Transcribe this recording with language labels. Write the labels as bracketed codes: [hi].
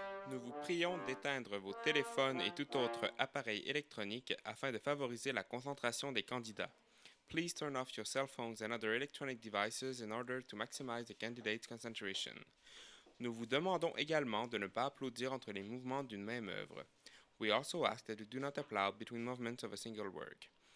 [fr] Nous vous prions d'éteindre vos téléphones et tout autre appareil électronique afin de favoriser la concentration des candidats. [en] Please turn off your cell phones and other electronic devices in order to maximize the candidate's concentration. [fr] Nous vous demandons également de ne pas applaudir entre les mouvements d'une même œuvre. [en] We also ask that you do not applaud between movements of a single work.